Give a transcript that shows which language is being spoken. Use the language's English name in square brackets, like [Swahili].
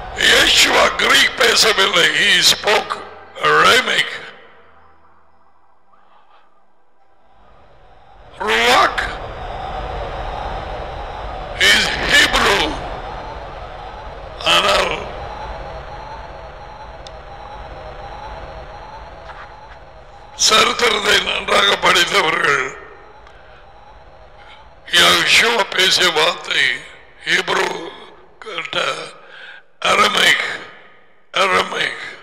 [Tamil] Yeshua Greek பேசவில்லை, [English] he spoke Aramaic. Ruach is Hebrew. [Tamil] ஆனால் சரித்திரத்தை நன்றாக படித்தவர்கள் யேசுவா பேசிய வார்த்தை ஹீப்ரூ கேட்ட அரமேக் அரமேக்.